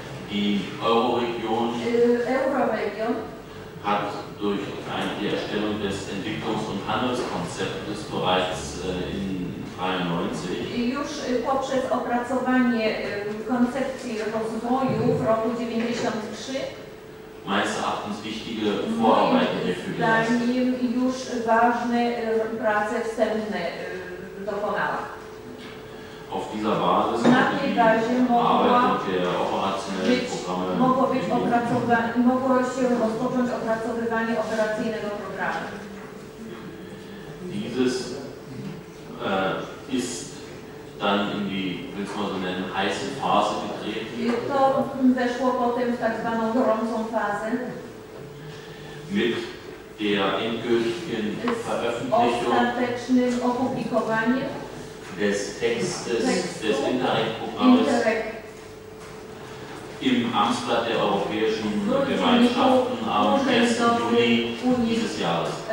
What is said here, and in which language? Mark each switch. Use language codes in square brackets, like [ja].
[de] Die Euroregion hat durch die Erstellung des Entwicklungs- und Handelskonzeptes bereits in 93 [pl] już poprzez opracowanie koncepcji rozwoju w roku 93 [de] meines Erachtens wichtige Vorarbeiten dafür geleistet. [pl] Już ważne prace wstępne dokonała. [de] Auf dieser Basis [pl] na tej bazie mogło się rozpocząć opracowywanie operacyjnego programu. [de] Dieses ist dann in die, wie soll man so nennen, heiße Phase getreten. [pl] I to weszło potem w tak zwaną gorącą fazę. [de] Mit der endgültigen Veröffentlichung. [pl] Ostatecznym opublikowaniem. [de] Des Textes des Interreg-Programms im Amtsblatt der Europäischen Gemeinschaften am 1. Juni dieses Jahres.